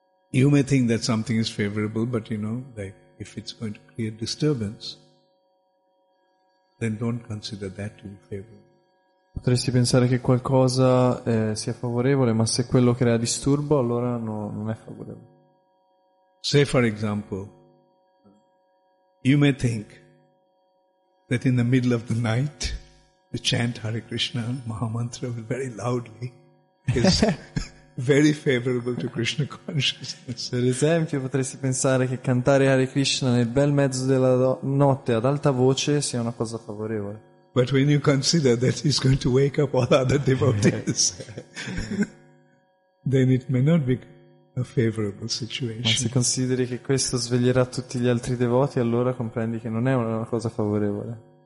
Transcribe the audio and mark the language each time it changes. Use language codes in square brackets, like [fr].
[en] You may think that something is favorable, but you know, like if it's going to create disturbance, then don't consider that to be favorable. [it] Potresti pensare che qualcosa sia favorevole, ma se quello crea disturbo, allora non è favorevole. [en] Say for example, you may think that in the middle of the night to chant Hare Krishna Maha Mantra very loudly is very favorable to Krishna consciousness. [it] Per esempio, potresti pensare che cantare Hare Krishna nel bel mezzo della notte ad alta voce sia una cosa favorevole. [en] But when you consider that he's going to wake up all other devotees, then it may not be a favorable situation. [it] Ma se consideri che questo sveglierà tutti gli altri devoti, allora comprendi che non è una cosa favorevole.